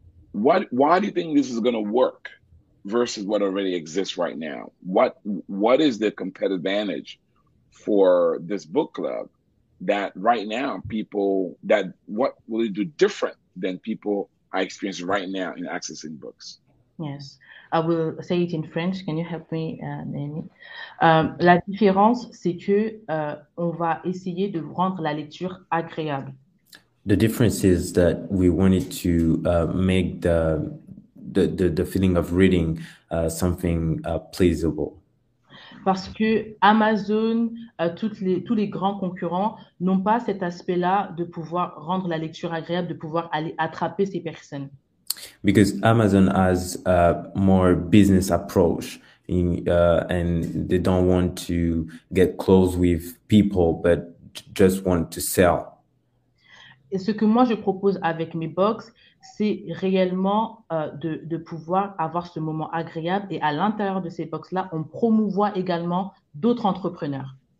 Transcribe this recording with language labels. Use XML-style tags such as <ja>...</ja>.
<en>Why do you think this is going to work versus what already exists right now? What is the competitive advantage for this book club that right now people, that what will it do different than people are experiencing right now in accessing books? Yes, I will say it in French. Can you help me, Naomi?</en> <fr>La différence, c'est que on va essayer de rendre la lecture agréable.</fr> <en>The difference is that we wanted to make the feeling of reading something pleasurable.</en> <fr>Parce que Amazon, tous les grands concurrents n'ont pas cet aspect-là de pouvoir rendre la lecture agréable, de pouvoir aller attraper ces personnes.</fr> <en>Because Amazon has a more business approach in, and they don't want to get close with people, but just want to sell.</en> <fr>Et ce que moi je propose avec mes box, c'est réellement de pouvoir avoir ce moment agréable et à l'intérieur de ces box-là, on promouvoit également d'autres entrepreneurs.</fr>